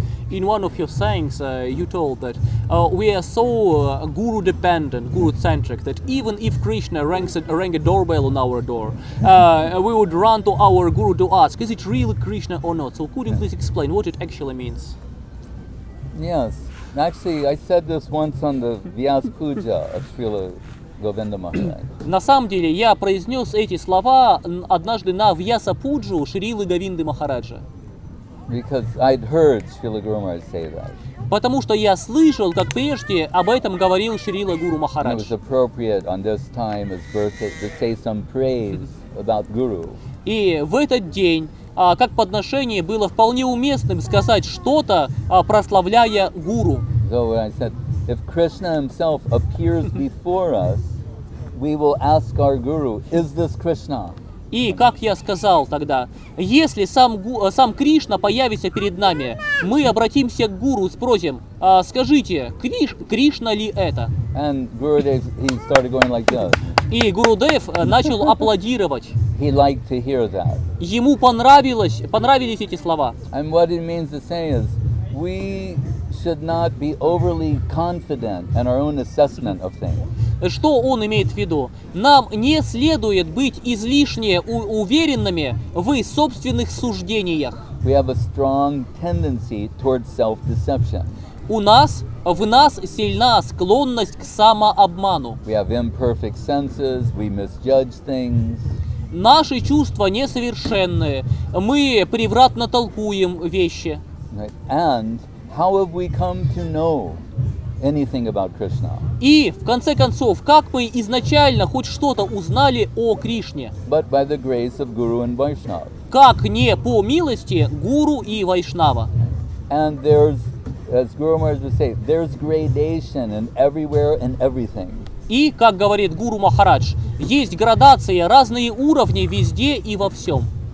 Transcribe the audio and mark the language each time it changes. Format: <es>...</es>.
<en>In one of your sayings, you told that we are so guru-dependent, guru-centric, that even if Krishna rang a doorbell on our door, we would run to our guru to ask, is it really Krishna or not? So could you please explain what it actually means? Yes. Actually, I said this once on the Vyas Puja of Srila Govinda Maharaj.</en> <ru>На самом деле, я произнес эти слова однажды на Вьяса Пуджу Шрилы Говинды Махараджа.</ru> <en>Because I'd heard Srila Guru Maharaj say that.</en> <ru>Потому что я слышал, как прежде об этом говорил Шрила Гуру Махарадж.</ru> <en>And it was appropriate on this time, his birthday, to say some praise about Guru.</en> <ru>И в этот день, как подношение, было вполне уместным сказать что-то, прославляя Гуру.</ru> <en>So I said, if Krishna himself appears before us, we will ask our Guru, is this Krishna?</en> <ru>И как я сказал тогда, если сам Кришна появится перед нами, мы обратимся к гуру и спросим, скажите, Кришна ли это?</ru> <en>And Gurudev, he started going like this.</en> <ru>И Гурудев начал аплодировать.</ru> <en>He liked to hear that.</en> <ru>Ему понравились эти слова.</ru> <en>And what it means to say is, we should not be overly confident in our own assessment of things.</en> <ru>Что он имеет в виду? Нам не следует быть излишне уверенными в собственных суждениях.</ru> <en>We have a strong tendency towards self-deception.</en> <ru>В нас сильна склонность к самообману.</ru> <en>We have imperfect senses, we misjudge things.</en> <ru>Наши чувства несовершенны, мы превратно толкуем вещи.</ru> <en>And how have we come to know anything about Krishna.</en> <ru>И в конце концов, как мы изначально хоть что-то узнали о Кришне?</ru> <en>But by the grace of Guru and Vaishnava.</en> <ru>Как не по милости Гуру и Вайшнава?</ru> <en>And there's, as Guru Maharaj would say, there's gradation in everywhere and everything.</en> <ru>И, как говорит Гуру Махарадж, есть градация, разные уровни везде и во всем.</ru>